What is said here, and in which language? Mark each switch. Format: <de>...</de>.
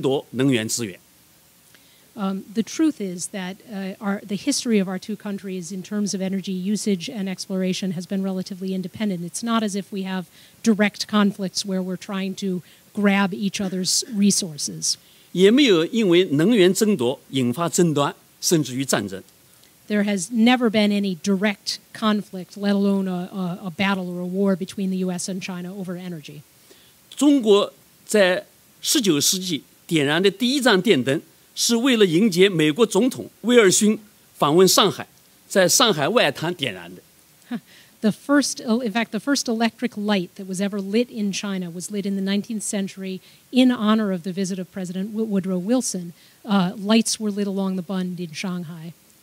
<zh>其实，从历史和现状仔细分析，中美两国能源合作是基调，并没有相互去争夺能源资源。</zh> <en>The truth is that the history of our two countries in terms of energy usage and exploration has been relatively independent. It's not as if we have direct conflicts where we're trying to grab each other's resources.</en> <zh>也没有因为能源争夺引发争端，甚至于战争。</zh> <en>There has never been any direct conflict, let alone a battle or a war between the U.S. and China over energy.</en> <zh>中国在19世纪点燃的第一盏电灯，是为了迎接美国总统威尔逊访问上海，在上海外滩点燃的。</zh> <en>The first, in fact, the first electric light that was ever lit in China was lit in the 19th century in honor of the visit of President Woodrow Wilson. Lights were lit along the Bund in Shanghai.</en>